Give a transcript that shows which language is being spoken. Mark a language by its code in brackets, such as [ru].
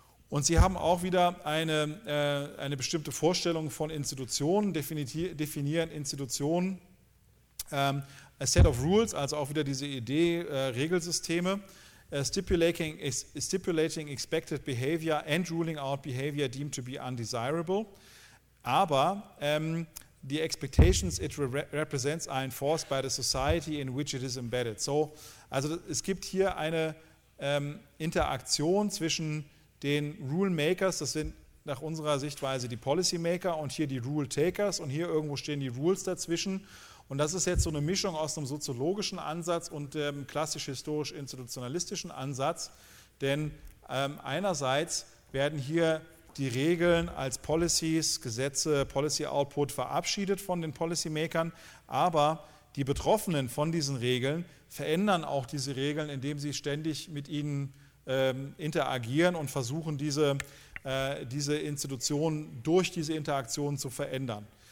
[de] Und sie haben auch wieder eine bestimmte Vorstellung von Institutionen, definieren Institutionen [en] a set of rules, [de] also auch wieder diese Idee, Regelsysteme, [en] stipulating expected behavior and ruling out behavior deemed to be undesirable. [de] Aber [en] the expectations it represents are enforced by the society in which it is embedded. [de] So, also es gibt hier eine Interaktion zwischen den Rule Makers, das sind nach unserer Sichtweise die Policy Maker und hier die Rule Takers und hier irgendwo stehen die Rules dazwischen. Und das ist jetzt so eine Mischung aus einem soziologischen Ansatz und dem klassisch-historisch-institutionalistischen Ansatz, denn einerseits werden hier die Regeln als Policies, Gesetze, Policy Output verabschiedet von den Policymakern, aber die Betroffenen von diesen Regeln verändern auch diese Regeln, indem sie ständig mit ihnen interagieren und versuchen, diese Institutionen durch diese Interaktionen zu verändern.